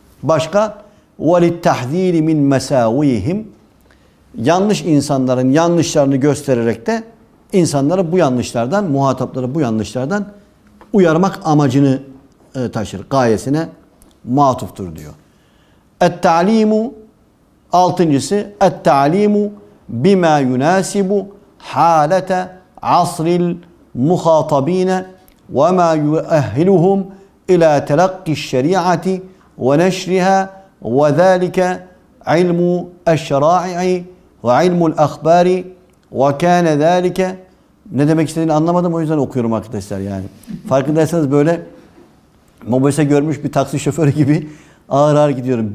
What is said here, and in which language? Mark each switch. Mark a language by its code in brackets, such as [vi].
[tr] Başka [ar] وَلِلْتَحْذ۪يرِ مِنْ مَسَاوِيهِمْ [tr] yanlış insanların yanlışlarını göstererek de insanları bu yanlışlardan, muhatapları bu yanlışlardan uyarmak amacını taşır. Gayesine matuftur diyor. [ar] التَّعْلِيمُ [tr] Altıncısı, [ar] التَّعْلِيمُ بِمَا يُنَاسِبُ حَالَةَ عَصْرِ الْمُخَاطَبِينَ وَمَا يُؤَهِّلُهُمْ اِلَى تَلَقِّ الشَّرِيعَةِ وَنَشْرِهَا وَذَٰلِكَ عِلْمُ الشَّرَائِعِ وَعِلْمُ الْأَخْبَارِ وَكَانَ ذَٰلِكَ [tr] Ne demek istediğini anlamadım, o yüzden okuyorum arkadaşlar yani. Farkındaysanız böyle mobese görmüş bir taksi şoförü gibi ağır ağır gidiyorum.